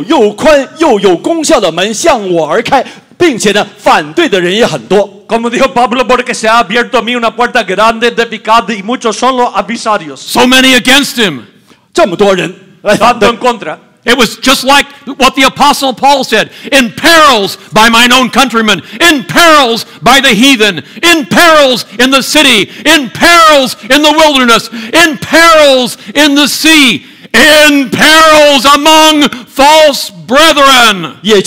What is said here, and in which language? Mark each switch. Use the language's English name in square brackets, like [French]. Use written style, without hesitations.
[Chinese] 就像使徒保罗指出的那样，因为有又宽又有功效的门向我而开。并且呢，反对的人也很多。 [Spanish] Como dijo Pablo, porque se ha abierto a mí una puerta grande de picada y muchos son los adversarios. [English] So many against him. [Chinese] 这么多人来反对。 [Spanish] Tanto en contra. [English] It was just like what the Apostle Paul said, in perils by mine own countrymen, in perils by the heathen, in perils in the city, in perils in the wilderness, in perils in the sea, in perils among false brethren.